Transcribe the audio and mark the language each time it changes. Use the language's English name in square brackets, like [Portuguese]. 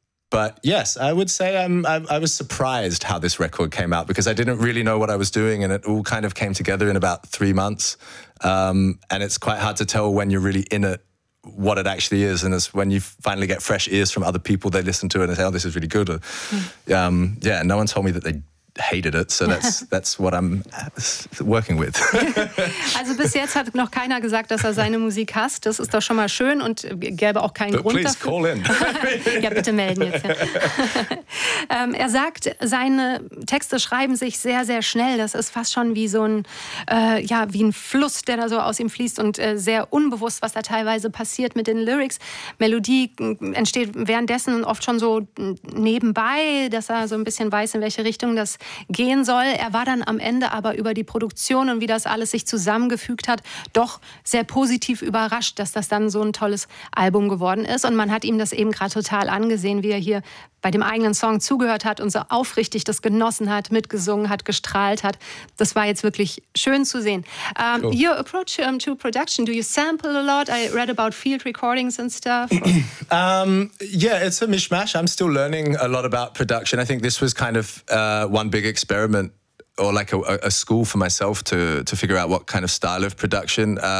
[English] But yes, I would say I was surprised how this record came out, because I didn't really know what I was doing and it all kind of came together in about 3 months. And it's quite hard to tell when you're really in it, what it actually is. And it's when you finally get fresh ears from other people, they listen to it and say, oh, this is really good. Or, no one told me that they hated it, so that's what I'm working with. [German] Also bis jetzt hat noch keiner gesagt, dass er seine Musik hasst. Das ist doch schon mal schön und gäbe auch keinen [English] But [German] Grund [English] please [German] dafür. [English] Call in. [German] Ja, bitte melden jetzt. Ja. Er sagt, seine Texte schreiben sich sehr, sehr schnell. Das ist fast schon wie so ein wie ein Fluss, der da so aus ihm fließt und sehr unbewusst, was da teilweise passiert mit den Lyrics. Melodie entsteht währenddessen oft schon so nebenbei, dass er so ein bisschen weiß, in welche Richtung das gehen soll. Er war dann am Ende aber über die Produktion und wie das alles sich zusammengefügt hat, doch sehr positiv überrascht, dass das dann so ein tolles Album geworden ist. Und man hat ihm das eben gerade total angesehen, wie er hier bei dem eigenen Song zugehört hat und so aufrichtig das genossen hat, mitgesungen hat, gestrahlt hat. Das war jetzt wirklich schön zu sehen. Cool. [English] Your approach to production, do you sample a lot? I read about field recordings and stuff. It's a mishmash. I'm still learning a lot about production. I think this was kind of one big experiment, or like a school for myself to figure out what kind of style of production.